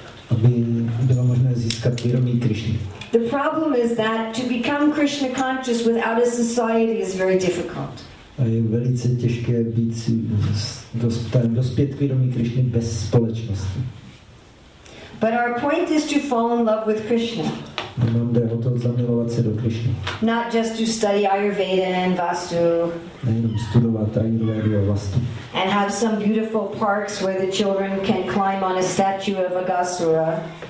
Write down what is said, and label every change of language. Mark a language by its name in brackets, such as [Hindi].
[Czech] Aby bylo možné získat vědomí Krishny. [English] The problem is that to become Krishna conscious without a society is very difficult. [Czech] A je velice těžké být si dospět vědomí Krishny bez společnosti. [English] But our point is to fall in love with Krishna. [Czech] Nám jde o to zamilovat se do Krishny. [English] Not just to study Ayurveda and Vastu. [Czech] Nejenom studovat Ayurvedu a Vastu. [English] And have some beautiful parks where the children can climb on a statue of Aghasura.